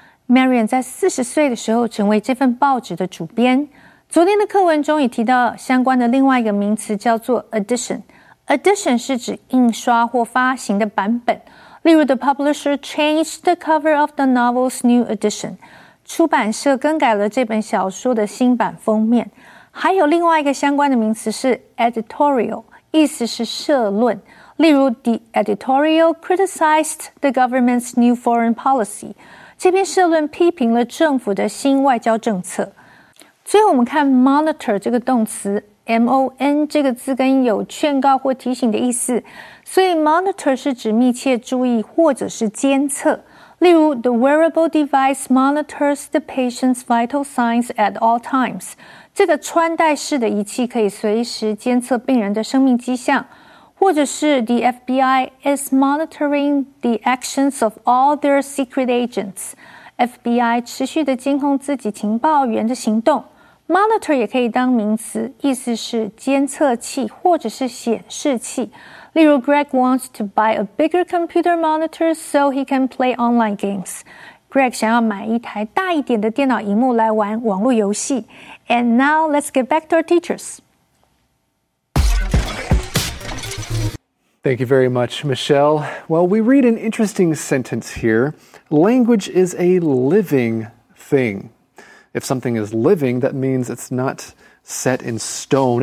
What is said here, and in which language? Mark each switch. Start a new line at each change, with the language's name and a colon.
Chinese: Marian 在40岁的时候成为这份报纸的主编。昨天的课文中也提到相关的另外一个名词叫做 edition。edition 是指印刷或发行的版本。例如
English: the publisher changed the cover of the novel's new edition.
Chinese: 出版社更改了这本小说的新版封面。还有另外一个相关的名词是 editorial, 意思是社论。例如
English: the editorial criticized the government's new foreign policy.
Chinese: 这篇社论批评了政府的新外交政策。最后我们看 monitor 这个动词 ,MON 这个字根有劝告或提醒的意思。所以 monitor 是指密切注意或者是监测。例如
English: the wearable device monitors the patient's vital signs at all times.
Chinese: 这个穿戴式的仪器可以随时监测病人的生命迹象。或者是
English: the FBI is monitoring the actions of all their secret agents.
Chinese: FBI 持续地监控自己情报员的行动。 Monitor 也可以当名词，意思是监测器或者是显示器。例如
English: Greg wants to buy a bigger computer monitor so he can play online games.
Chinese: Greg 想要买一台大一点的电脑萤幕来玩网络游戏。
English: And now let's get back to our teachers. Thank you very much, Michelle. Well, we read an interesting sentence here. Language is a living thing. If something is living, that means it's not set in stone.